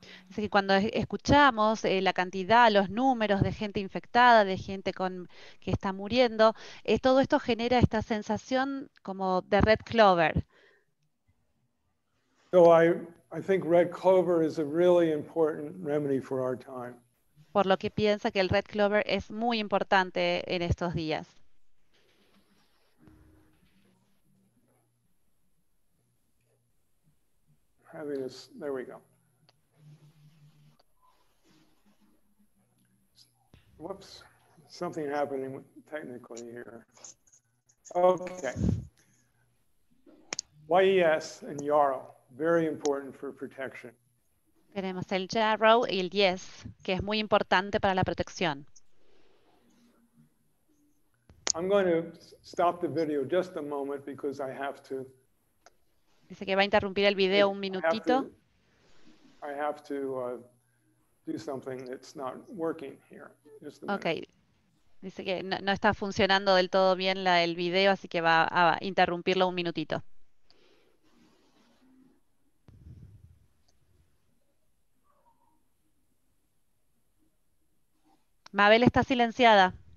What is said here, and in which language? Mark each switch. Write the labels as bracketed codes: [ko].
[es] Así que cuando escuchamos la cantidad, los números de gente infectada, de gente con, que está muriendo, todo esto genera esta sensación como de red clover. [en] So I think red clover is a really important remedy for our time. [es] Por lo que piensa que el red clover es muy importante en estos días. [en] Happiness, there we go. Whoops, something happening technically here. Okay. YES and YARO, very important for protection. [es] Tenemos el YARO y el YES, que es muy importante para la protección. [en] I'm going to stop the video just a moment because I have to. [es] Dice que va a interrumpir el video un minutito. [en] I have to do something that's not working here. Okay. [es] Dice que no está funcionando del todo bien el video, así que va a interrumpirlo un minutito. Mabel está silenciada.